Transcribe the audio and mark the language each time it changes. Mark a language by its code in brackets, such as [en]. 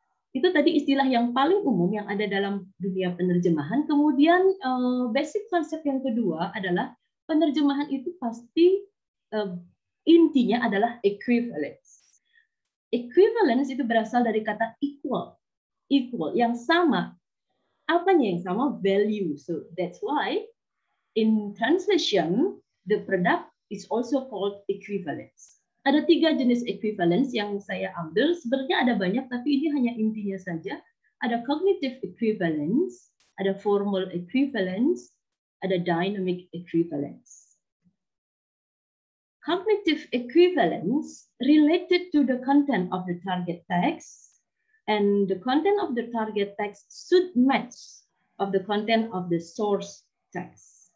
[id] Itu tadi istilah yang paling umum yang ada dalam dunia penerjemahan. Kemudian basic konsep yang kedua adalah penerjemahan itu pasti intinya adalah equivalence. Equivalence itu berasal dari kata equal. Equal, yang sama. Apanya yang sama? Value. [en] So that's why in translation, the product is also called equivalence. [id] Ada tiga jenis equivalence yang saya ambil. Sebenarnya ada banyak, tapi ini hanya intinya saja. Ada cognitive equivalence, ada formal equivalence, ada dynamic equivalence. [en] Cognitive equivalence related to the content of the target text, and the content of the target text should match of the content of the source text.